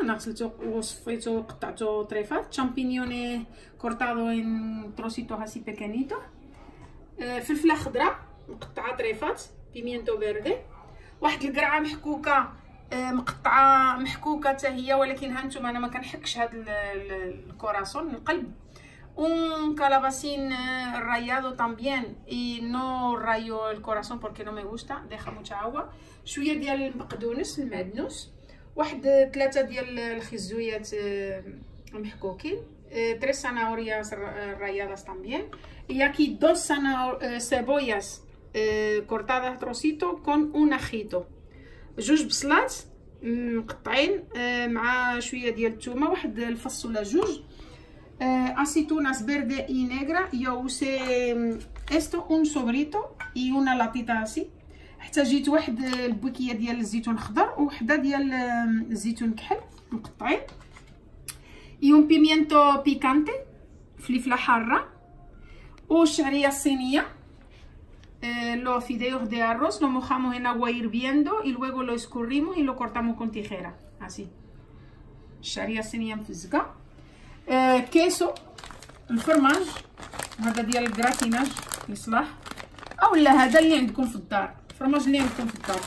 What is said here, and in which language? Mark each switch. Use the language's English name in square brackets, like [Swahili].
[Arabic] انا غسلتو وصفيتو قطعتو طريفات [Spanish] شامبينيون كورتادو ان تروسيتو هاسي بيكانيتو. [Arabic] فلفله خضراء مقطعه طريفات [Spanish] بيمينتو فيردي. [Arabic] واحد القرعه محكوكه مقطعه محكوكه حتى هي، ولكن هانتوما انا ما كنحكش هاد الكوراسون القلب. [Spanish] Un calabacín rallado también y no rayo el corazón porque no me gusta, deja mucha agua. [Arabic] شويه ديال البقدونس المعدنوس، واحد ثلاثه ديال الخزويات محكوكين، [Spanish] tres zanahorias ralladas también. Y aquí dos cebollas cortadas a trocito con un ajito. [Arabic] جوج بصلات مقطعين مع شويه ديال الثومه، واحد الفص ولا جوج. [Spanish] Aceitunas verde y negra. Yo usé esto, un sobrito y una latita así. [Arabic] احتاجيت واحد البكيه ديال الزيتون الخضر وحده ديال الزيتون الكحل مقطعين. [Spanish] Y un pimiento picante, [Arabic] فليفله حاره. والشعريه الصينيه. [Spanish] Los fideos de arroz lo mojamos en agua hirviendo y luego lo escurrimos y lo cortamos con tijera. Así. [Arabic] الشعريه الصينيه مفزقه. كيسو الفرماج، هذا ديال الجراتيناج يصلح اولا هذا اللي عندكم في الدار، الفرماج اللي عندكم في الدار.